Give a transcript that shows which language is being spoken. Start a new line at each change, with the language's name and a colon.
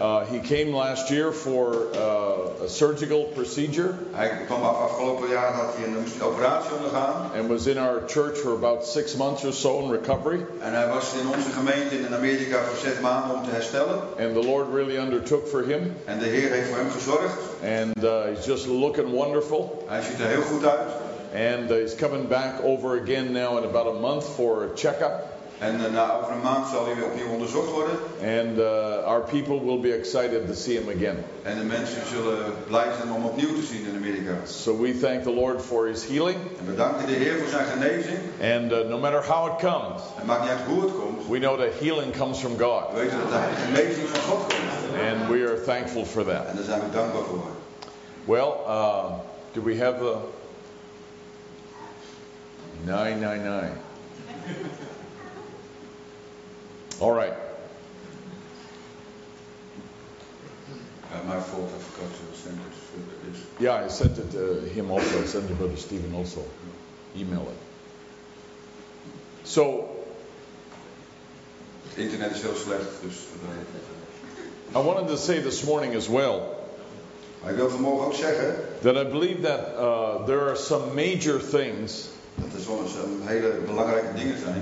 English: He came last year for a surgical procedure.
Dutch: Hij kwam afgelopen jaar dat hij een operatie ondergaan.
English: And was in our church for about 6 months or so in recovery.
Dutch: En hij was in onze gemeente in Amerika voor 6 maanden om te herstellen.
English: And the Lord really undertook for him.
Dutch: En de Heer heeft voor hem gezorgd.
English: And he's just looking wonderful.
Dutch: Hij ziet er heel goed uit.
English: And he's coming back over again now in about a month for a checkup.
Dutch: En na over een maand zal hij weer opnieuw onderzocht worden.
English: And our people will be excited to see him again.
Dutch: En de mensen zullen blij zijn om opnieuw te zien in Amerika.
English: So we thank the Lord for his healing.
Dutch: En we danken de Heer voor zijn genezing.
English: And no matter how it comes.
Dutch: Het maakt niet uit hoe het komt.
English: We know that healing comes from God.
Dutch: We weten dat de genezing van God komt.
English: And we are thankful for that.
Dutch: En daar zijn we dankbaar voor.
English: Well, do we have the 999. All right. My fault, I forgot to send it to this. Yeah, I sent it to him also. I sent it to Brother Stephen also. Email it. So. The internet is
Dutch: heel slecht, dus.
English: I wanted to say this morning as well.
Dutch: Ik wil vanmorgen ook zeggen.
English: That I believe that there are some major things.
Dutch: Dat is wel een hele belangrijke dingen zijn.